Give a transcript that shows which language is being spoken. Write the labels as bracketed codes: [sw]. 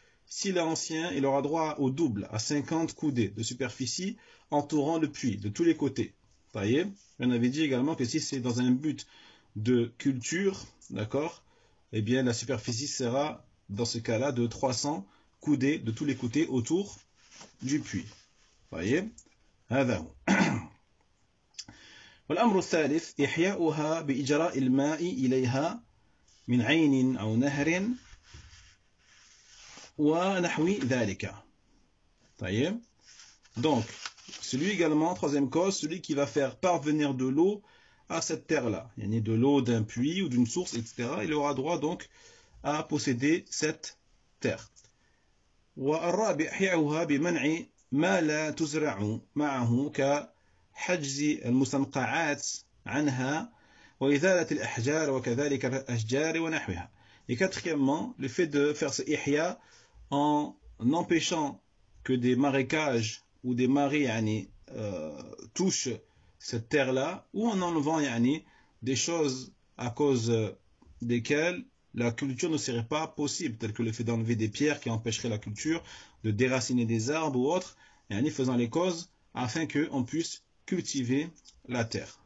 [fr] S'il est ancien, il aura droit au double, à 50 coudées de superficie entourant le puits de tous les côtés. Vous voyez? On avait dit également que si c'est dans un but de culture, d'accord? Eh bien, la superficie sera, dans ce cas-là, de 300 coudées de tous les côtés autour du puits. [ar] طيب هذا هو. والأمر الثالث إحياؤها بإجراء الماء إليها من عين أو نهر ونحو ذلك. طيب. [fr] Donc celui également troisième cause, celui qui va faire parvenir de l'eau à cette terre là, yani de l'eau d'un puits ou d'une source etc. Il aura droit donc à posséder cette terre. [ar] والرابع إحياؤها بمنع ما لا تزرع معه كحجز المستنقعات عنها وإزالة الأحجار وكذلك الأشجار ونحوها. [fr] Et quatrièmement, le fait de faire ce ihya en empêchant que des marécages ou des marées yani, touchent cette terre-là, ou en enlevant yani, des choses à cause desquelles la culture ne serait pas possible, tel que le fait d'enlever des pierres qui empêcheraient la culture, de déraciner des arbres ou autres, et en y faisant les causes afin qu'on puisse cultiver la terre.